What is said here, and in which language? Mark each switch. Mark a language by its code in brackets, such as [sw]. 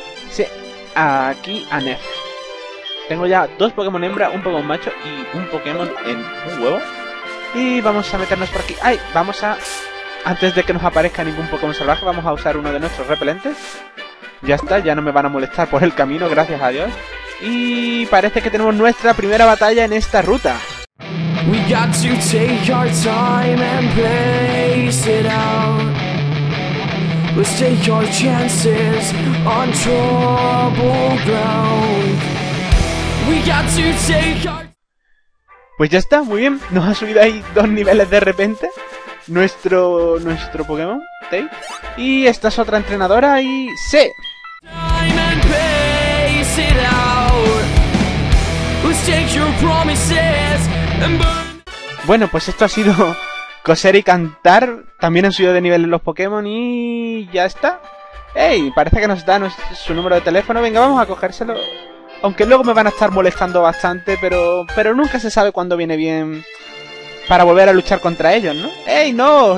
[es] Sí, aquí a Nef. Tengo ya dos Pokémon hembra, un Pokémon macho y un Pokémon en un huevo. Y vamos a meternos por aquí. ¡Ay! Antes de que nos aparezca ningún Pokémon salvaje, vamos a usar uno de nuestros repelentes. Ya está, ya no me van a molestar por el camino, gracias a Dios. Y parece que tenemos nuestra primera batalla en esta ruta. [en] We got to take our time and pace it out. Let's take our chances on troubled ground. We got to take our... [es] Pues ya está, muy bien. Nos ha subido ahí dos niveles de repente nuestro Pokémon, Tate. Y esta es otra entrenadora y ¡sí! [en] Time and pace it out. Let's take your promises and burn. [es] Bueno, pues esto ha sido coser y cantar. También han subido de nivel los Pokémon y ya está. ¡Ey! Parece que nos da su número de teléfono. Venga, vamos a cogérselo. Aunque luego me van a estar molestando bastante, pero nunca se sabe cuándo viene bien para volver a luchar contra ellos, ¿no? ¡Ey! ¡No!